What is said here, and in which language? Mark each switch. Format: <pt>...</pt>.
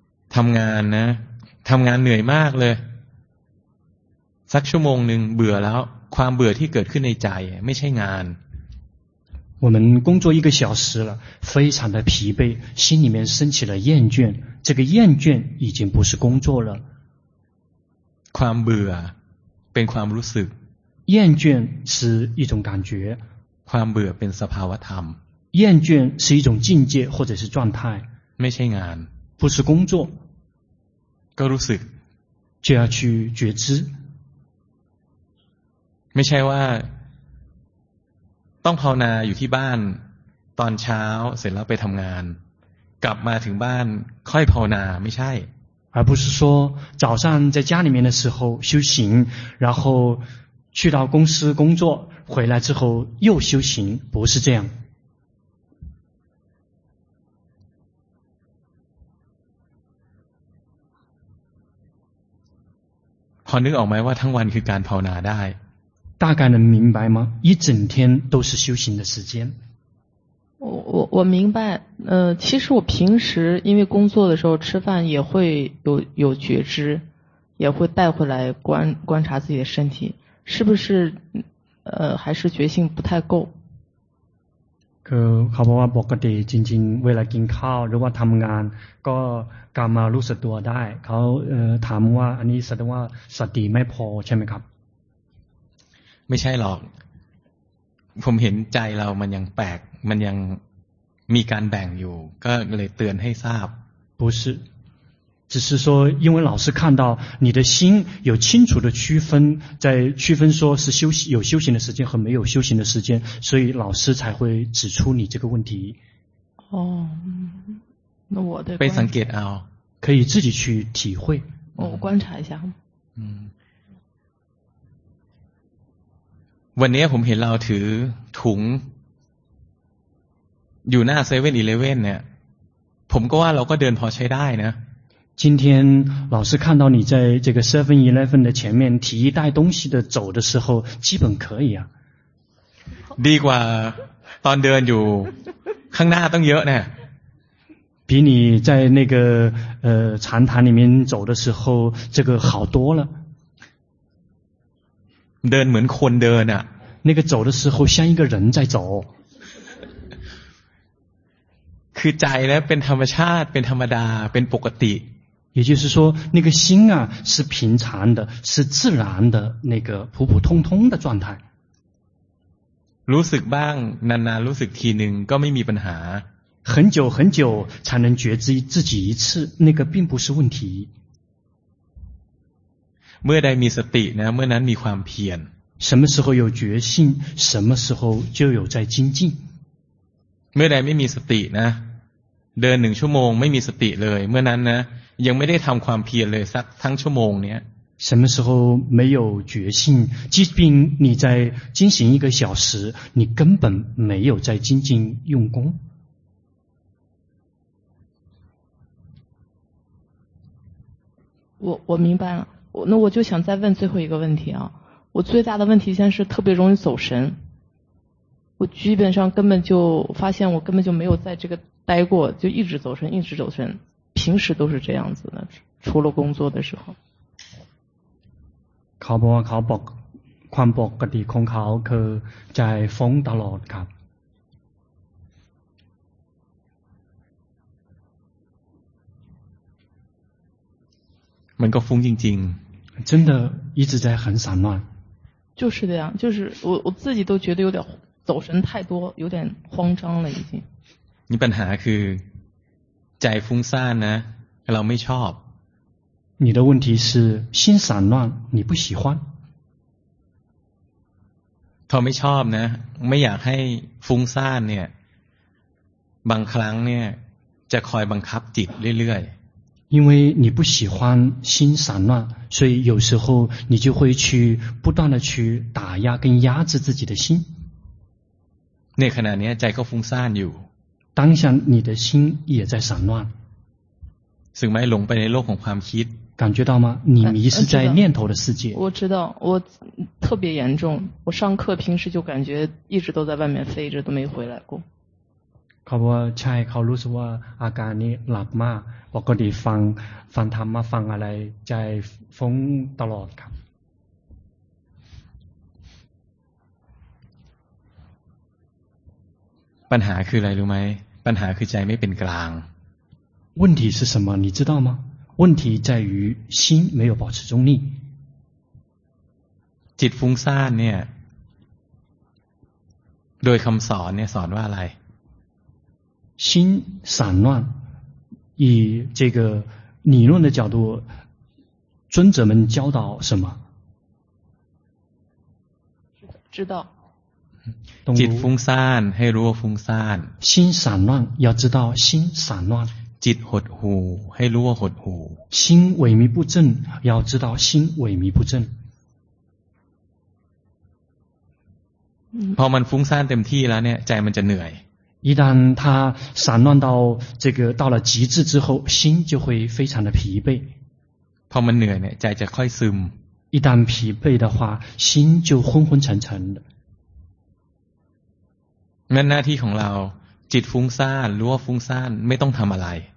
<th>ทำงานนะทำงานเหนื่อยมากเลยสักชั่วโมงหนึ่งเบื่อแล้วความเบื่อที่เกิดขึ้นในใจไม่ใช่งาน</th> <zh>我们工作一个小时了非常的疲惫心里面升起了厌倦这个厌倦已经不是工作了</zh> <th>ความเบื่อเป็นความรู้สึก</th> <zh>厌倦是一种感觉</zh> <th>ความเบื่อเป็นสภาวะธรรม</th> <zh>厌倦是一种境界或者是状态</zh> <th>ไม่ใช่งาน พูดสุ</th> <zh>工作</zh> <th>ก็รู้สึก</th> <zh>就要去觉知</zh> <th>ไม่ใช่ว่าต้องภาวนาอยู่ที่บ้านตอนเช้าเสร็จแล้วไปทำงานกลับมาถึงบ้านค่อยภาวนาไม่ใช่</th> <zh>而不是说早上在家里面的时候修行然后去到公司工作回来之后又修行不是这样</zh> <th>พอนึกออกไหมว่าทั้งวันคือการภาวนาได้</th> <zh>大概能明白吗一整天都是修行的时间我明白其实我平时因为工作的时候吃饭也会有觉知也会带回来观察自己的身体是不是还是觉性不太够</zh> <th>คือเขาบอกว่าปกติจริงๆเวลากินข้าวหรือว่าทำงานก็กลับมารู้สึกตัวได้เขาถามว่าอันนี้แสดงว่าสติไม่พอใช่ไหมครับ ไม่ใช่หรอกผมเห็นใจเรามันยังแปลกมันยังมีการแบ่งอยู่ก็เลยเตือนให้ทราบ</th> <zh>不是只是说因为老师看到你的心有清楚的区分在区分说是休息有修行的时间和没有修行的时间所以老师才会指出你这个问题哦那我的非常</zh> <en>get out</en> <zh>可以自己去体会我观察一下</zh> <th>嗯วันนี้ผมเห็นเราถือถุงอยู่หน้า 7-11 เนี่ยผมก็ว่าเราก็เดินพอใช้ได้นะ</th> <zh>今天老师看到你在这个 7-11 的前面提一袋东西的走的时候基本可以啊。</zh> <th>ดีกว่าตอนเดินอยู่ข้างหน้าต้องเยอะแน่。</th> <zh>比你在那个禅堂里面走的时候这个好多了。</zh> <th>เดินเหมือนคนเดินอะ。</th> <zh>那个走的时候像一个人在走。</zh> <th>คือใจนะเป็นธรรมชาติเป็นธรรมดาเป็นปกติ。</th> <zh>也就是说那个心啊是平常的是自然的那个普普通通的状态。</zh> <th>รู้สึกบ้างนานๆรู้สึกทีหนึ่งก็ไม่มีปัญหา</th> <zh>很久很久才能觉知自己一次那个并不是问题</zh> <th>เมื่อใดมีสตินะเมื่อนั้นมีความเพียร</th> <zh>什么时候有决心什么时候就有在精进</zh> <th>เมื่อใดไม่มีสตินะเดินหนึ่งชั่วโมงไม่มีสติเลยเมื่อนั้นนะยังไม่ได้ทำความเพียรเลยสักทั้งชั่วโมงเนี้ย</th> <zh>什么时候没有决心即便你在进行一个小时你根本没有在精进用功我明白了那我就想再问最后一个问题啊我最大的问题现在是特别容易走神我基本上根本就发现我根本就没有在这个待过就一直走神一直走神平时都是这样子的除了工作的时候</zh> <th>เขาบอกว่าเขาบอกความปกติของเขาคือใจฟุ้งตลอดครับ มันก็ฟุ้งจริง</th> <zh>ๆ真的一直在很散乱就是这样就是我自己都觉得有点走神太多有点慌张了已经</zh> <th>นี่ปัญหาคือใจฟุ้งซ่านนะเราไม่ชอบ</th> <zh>你的问题是心散乱你不喜欢他</zh> <th>ไม่ชอบนะไม่อยากให้ฟุ้งซ่านเนี่ยบางครั้งเนี่ยจะคอยบังคับจิตเรื่อย</th> <zh>ๆ因为你不喜欢心散乱所以有时候你就会去不断的去打压跟压制自己的心</zh> <th>ในขณะนี้ใจก็ฟุ้งซ่านอยู่</th> <zh>当下你的心也在散乱</zh> <th>สึกไหมหลงไปในโลกของความคิด</th> <zh>感觉到吗你迷失在念头的世界我知道我特别严重我上课平时就感觉一直都在外面飞着都没回来过</zh> <th>เขาบอกว่าใช่เขารู้สึกว่าอาการนี้หลับมากปกติฟังธรรมะฟังอะไรใจฟุ้งตลอดครับ ปัญหาคืออะไรรู้ไหมปัญหาคือใจไม่เป็นกลาง</th> <zh>问题是什么你知道吗问题在于心没有保持中立</zh> <th>จิตฟุ้งซ่านเนี่ยโดยคำสอนเนี่ยสอนว่าอะไร</th> <zh>心散乱以这个理论的角度尊者们教导什么知道</zh> <th>จิตฟุ้งซ่านให้รู้ว่าฟุ้งซ่าน</th> <zh>心散乱要知道心散乱</zh> <th>จิตหดหูให้รู้ว่าหดหู</th> <zh>心萎靡不振要知道心萎靡不振</zh> <th>พอมันฟุ้งซ่านเต็มที่แล้วเนี่ยใจมันจะเหนื่อย</th> <zh>一旦它散乱到这个到了极致之后心就会非常的疲惫</zh> <th>พอมันเหนื่อยเนี่ยใจจะค่อยซึม</th> <zh>一旦疲惫的话心就昏昏沉沉的</zh> <th>นั่นหน้าที่ของเราจิตฟุ้งซ่านรู้ว่าฟุ้งซ่านไม่ต้องทำอะไร</th>